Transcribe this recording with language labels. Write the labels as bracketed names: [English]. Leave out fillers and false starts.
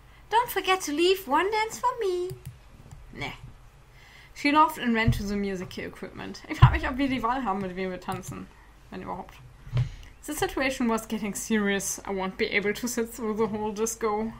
[English] Don't forget to leave one dance for me. Nah. She laughed and ran to the music equipment. [German] Ich frag mich, ob wir die Wahl haben, mit wem wir tanzen. Wenn überhaupt. [English] The situation was getting serious. I won't be able to sit through the whole disco.